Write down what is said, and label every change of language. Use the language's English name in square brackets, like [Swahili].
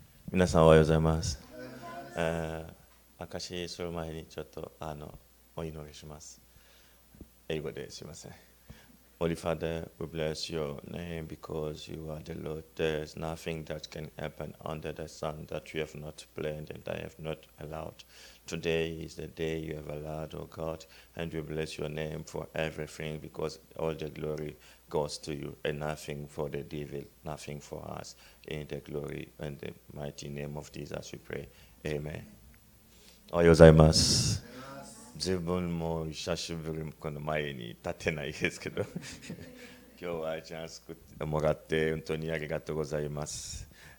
[Japanese] 皆さんおはようございます。証しする前にちょっとお祈りします。英語ですいません。 [English] Holy Father, we bless your name because you are the Lord. There's nothing that can happen under the sun that you have not planned and I have not allowed. Today is the day you have allowed, O God, and we bless your name for everything because all the glory goes to you and nothing for the devil, nothing for us. In the glory and the mighty name of Jesus we pray. [Japanese] Amen. おはようございます。自分も久しぶりこの前に立てないですけど今日はチャンスもらって本当にありがとうございます。